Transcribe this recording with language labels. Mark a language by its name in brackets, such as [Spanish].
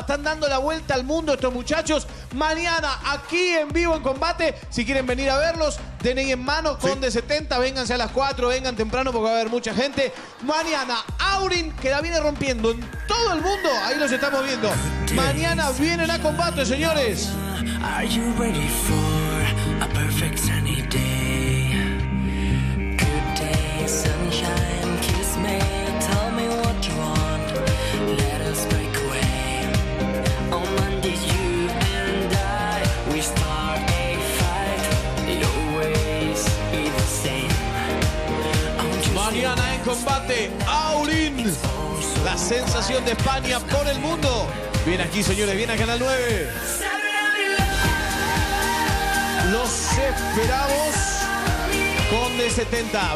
[Spanish] Están dando la vuelta al mundo estos muchachos. Mañana aquí en vivo en combate. Si quieren venir a verlos, DNI en mano, Conde 70. Vénganse a las 4, vengan temprano porque va a haber mucha gente. Mañana, Aurin, que la viene rompiendo en todo el mundo. Ahí los estamos viendo. Mañana vienen a combate, señores. [English] Are you ready for a perfect sunny day? Good day, sunshine, kiss me, tell me what you want. Let us break away. On Mondays, you and I, we start a fight. It always be the same. [Spanish] Mañana en combate, Aurin, la sensación de España por el mundo. Viene aquí, señores, viene a Canal 9. Los esperamos con D70.